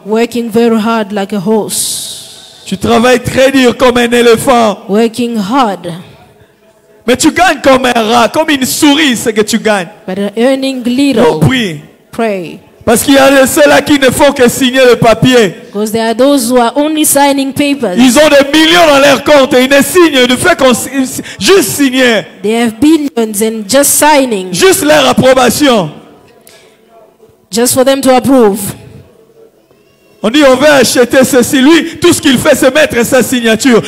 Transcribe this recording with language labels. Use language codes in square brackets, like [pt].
[en] Working very hard like a horse. [fr] Tu travailles très dur comme un éléphant. [en] Working hard. [fr] Mais tu gagnes comme un rat, comme une souris, ce que tu gagnes. [en] But earning little. [fr] Donc, prie. [en] Pray. [fr] Parce qu'il y a ceux-là qui ne font que signer le papier. [en] Because there are those who are only signing papers. [fr] Ils ont des millions dans leur compte et ils ne signent, ils ne font qu'on juste signer. [en] They have billions and just signing. [fr] Juste leur approbation. [en] Just for them to approve. [fr] On dit on veut acheter ceci. Lui, tout ce qu'il fait, c'est mettre sa signature.